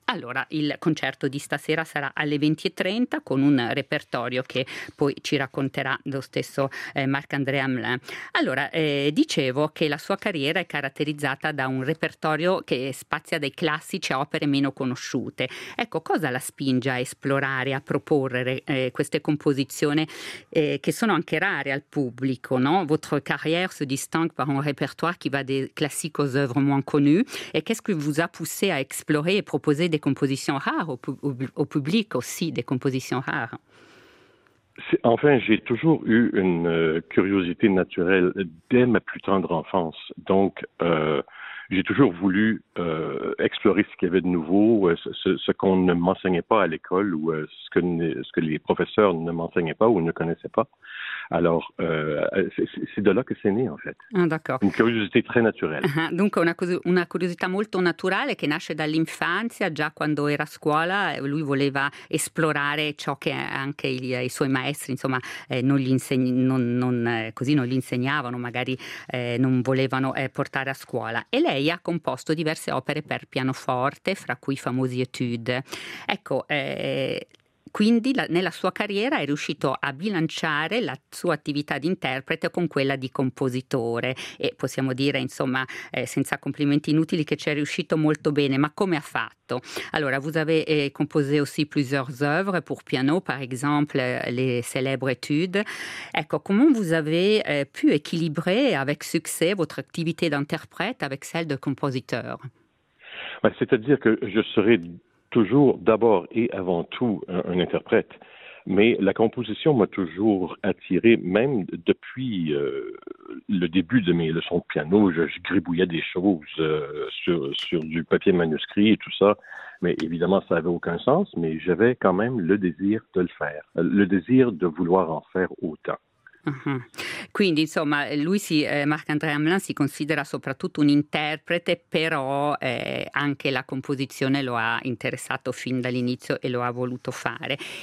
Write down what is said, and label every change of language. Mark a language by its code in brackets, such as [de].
[it] Allora, il concerto di stasera sarà alle 20:30 con un repertorio che poi ci racconterà lo stesso Marc-André Hamelin. Allora, dicevo che la sua carriera è caratterizzata da un repertorio che spazia dai classici a opere meno conosciute. Ecco, cosa la spinge a esplorare, a proporre queste composizioni che sono anche rare al pubblico, no? [fr] Votre carrière se distingue par un répertoire qui va des classiques aux œuvres moins connues. Et qu'est-ce qui vous a poussé à explorer et proposer des compositions rares au public aussi, des compositions rares? Enfin, j'ai toujours eu une curiosité naturelle dès ma plus tendre enfance. Donc, j'ai toujours voulu explorer ce qu'il y avait de nouveau, ce qu'on ne m'enseignait pas à l'école ou ce que les professeurs ne m'enseignaient pas ou ne connaissaient pas. Alors, c'est de là que c'est né, en fait. Ah, d'accord. Une curiosité très naturelle. [it] Donc, una curiosità molto naturale che nasce dall'infanzia, già quando era a scuola, lui voleva esplorare ciò che anche i suoi maestri, insomma, non gli insegnavano, magari non volevano portare a scuola. E lei ha composto diverse opere per pianoforte, fra cui i famosi Etudes. Ecco, quindi nella sua carriera è riuscito a bilanciare la sua attività di interprete con quella di compositore, e possiamo dire, insomma, senza complimenti inutili, che ci è riuscito molto bene. Ma come ha fatto? [fr] Allora, vous avez composé aussi plusieurs œuvres pour piano, par exemple les célèbres études. Ecco, comment vous avez pu équilibrer avec succès votre activité d'interprète avec celle de compositeur? Ouais, c'est-à-dire que je serais toujours, d'abord et avant tout, un interprète. Mais la composition m'a toujours attiré, même depuis le début de mes leçons de piano. Je gribouillais des choses sur du papier manuscrit et tout ça. Mais évidemment, ça n'avait aucun sens. Mais j'avais quand même le désir de le faire, le désir de vouloir en faire autant. [it] Quindi, insomma, lui Marc-André Hamelin si considera soprattutto un interprete, però anche la composizione lo ha interessato fin dall'inizio e lo ha voluto fare.